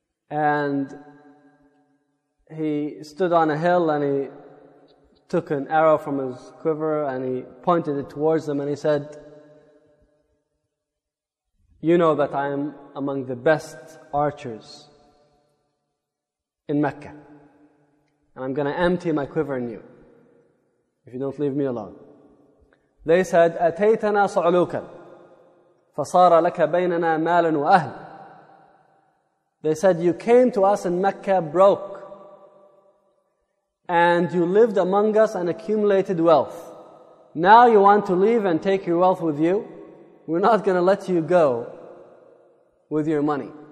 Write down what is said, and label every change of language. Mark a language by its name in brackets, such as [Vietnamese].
[English] And he stood on a hill and he took an arrow from his quiver and he pointed it towards them and he said, you know that I am among the best archers in Mecca. And I'm going to empty my quiver on you if you don't leave me alone. They said, [Arabic] أَتَيْتَنَا صَعُلُوكًا فَصَارَ لَكَ بَيْنَنَا مَالٌ وَأَهْلٌ. [English] They said, you came to us in Mecca broke, and you lived among us and accumulated wealth. Now you want to leave and take your wealth with you? We're not going to let you go with your money.